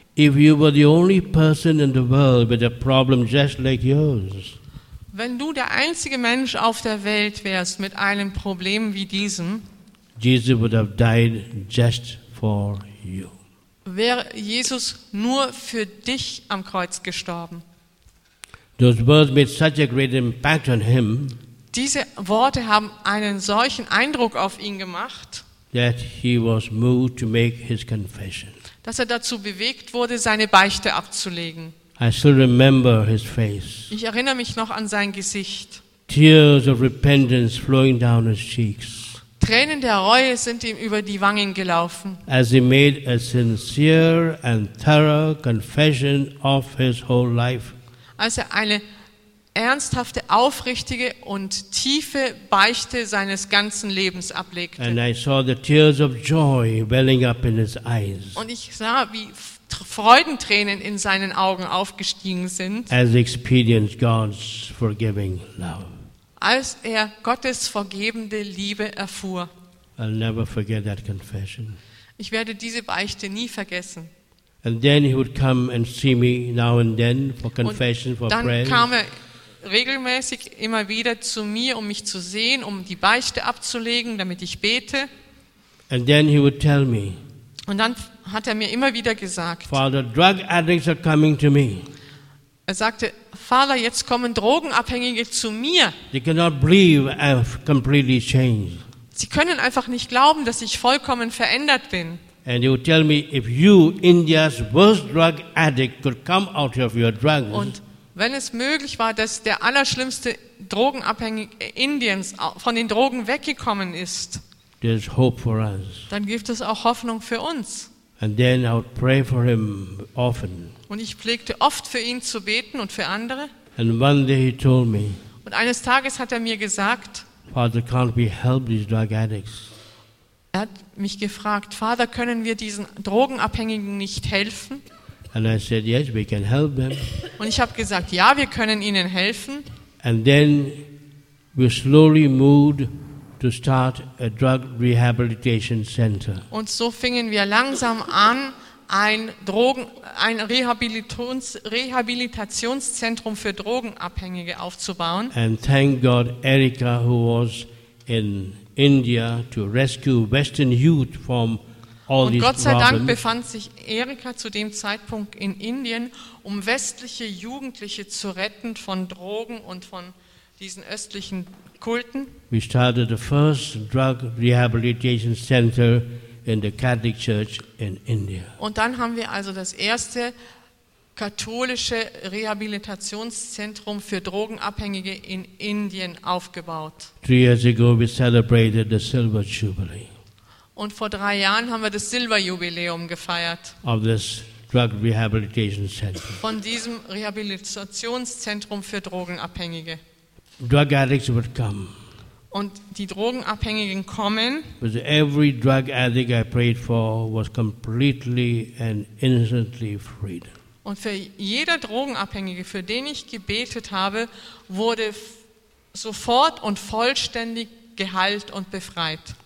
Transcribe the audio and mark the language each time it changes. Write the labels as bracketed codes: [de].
[en] if you were the only person in the world with a problem just like yours, [de] wenn du der einzige Mensch auf der Welt wärst mit einem Problem wie diesem, [en] Jesus would have died just for you. [de] Wäre Jesus nur für dich am Kreuz gestorben. [en] Those words made such a great impact on him, [de] diese Worte haben einen solchen Eindruck auf ihn gemacht, [en] that he was moved to make his confession. [de] Dass er dazu bewegt wurde, seine Beichte abzulegen. [en] I still remember his face. [de] Ich erinnere mich noch an sein Gesicht. [en] Tears of repentance flowing down his cheeks. [de] Tränen der Reue sind ihm über die Wangen gelaufen. [en] As he made a sincere and thorough confession of his whole life. [de] Als er eine ernsthafte, aufrichtige und tiefe Beichte seines ganzen Lebens ablegte. [en] And I saw the tears of joy welling up in his eyes. [de] Und ich sah, wie Freudentränen in seinen Augen aufgestiegen sind, [en] as he experienced God's forgiving love. [de] Als er Gottes vergebende Liebe erfuhr. [en] I'll never forget that confession. [de] Ich werde diese Beichte nie vergessen. [en] And then he would come and see me now and then for confession, for prayer. [de] Und dann kam er regelmäßig immer wieder zu mir, um mich zu sehen, um die Beichte abzulegen, damit ich bete. [en] And then he would tell me. [de] Und dann hat er mir immer wieder gesagt, [en] Father, drug addicts are coming to me. [de] Er sagte, Vater, jetzt kommen Drogenabhängige zu mir. [en] They cannot believe I've completely changed. [de] Sie können einfach nicht glauben, dass ich vollkommen verändert bin. [en] And he would tell me, if you, India's worst drug addict, could come out of your drugs. [de] Und wenn es möglich war, dass der allerschlimmste Drogenabhängige Indiens von den Drogen weggekommen ist, [en] there's hope for us. [de] Dann gibt es auch Hoffnung für uns. [en] And then I would pray for him often. [de] Und ich pflegte oft für ihn zu beten und für andere. [en] And one day he told me, [de] und eines Tages hat er mir gesagt, [en] Father, can't we help these drug addicts? [de] Er hat mich gefragt, Vater, können wir diesen Drogenabhängigen nicht helfen? [en] And I said, yes, we can help them. [de] Und ich habe gesagt, ja, wir können ihnen helfen. [en] And then we slowly moved to start a drug rehabilitation center. [de] Und so fingen wir langsam an, ein Rehabilitationszentrum für Drogenabhängige aufzubauen. [en] And thank God, Erika, who was in India to rescue Western youth from all these problems. [de] Und Gott sei Dank befand sich Erika zu dem Zeitpunkt in Indien, um westliche Jugendliche zu retten von Drogen und von diesen östlichen Kulten. [en] We started the first drug rehabilitation center in the Catholic Church in India. [de] Und dann haben wir also das erste katholische Rehabilitationszentrum für Drogenabhängige in Indien aufgebaut. [en] 3 years ago we celebrated the Silver Jubilee. [de] Und vor 3 Jahren haben wir das Silberjubiläum gefeiert. [en] Of this drug rehabilitation center. [de] Von diesem Rehabilitationszentrum für Drogenabhängige. [en] Drug addicts would come. [de] Und die Drogenabhängigen kommen. [en] Because every drug addict I prayed for was completely and instantly freed. [de] Und für jeder Drogenabhängige, für den ich gebetet habe, wurde sofort und vollständig geheilt und befreit.